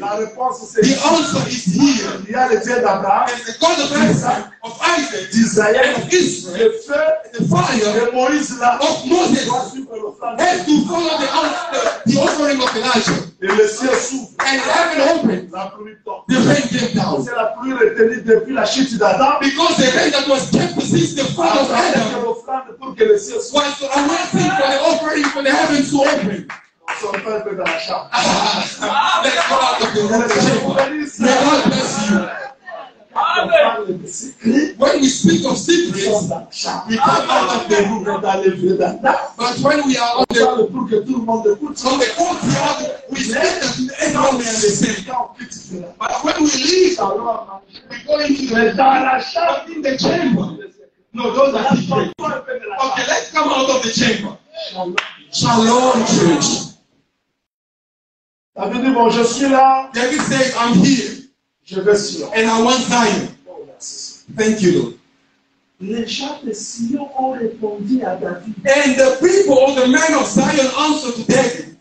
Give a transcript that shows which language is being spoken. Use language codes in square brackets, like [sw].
[fr] La réponse, c'est [en] the answer is here. [fr] Il y a le Dieu d'Abraham, [en] and the God of Abraham, of Isaac, [fr] d'Israël, [en] and of Israel. [fr] Le feu, [en] the fire [fr] de Moïse, là, [en] of Moses has to follow the offering of Elijah. [fr] Et le ciel s'ouvre. [en] And heaven opened. [fr] La pluie tombe. [en] The rain came down. [fr] C'est la pluie retenue depuis la chute d'Adam. [en] Because the rain that was kept since the fall of Adam. [fr] Pour que le ciel s'ouvre. [en] So I'm waiting for the offering for the heavens to open. Let's go out of the room. May God bless you. When we speak of secrets, we come out of the room. But when we are on the altar, we speak that everyone may understand. But when we leave, we go into the room. But in the chamber, no, those are secrets. Okay, let's come out of the chamber. Shalom, church. [fr] David dit, bon, je suis là. [en] David says, I'm here. [fr] Je vais sur. [en] And I want Zion. Thank you, Lord. [fr] Les gens de Sion ont répondu à David. [en] And the people, the men of Zion, answered to David.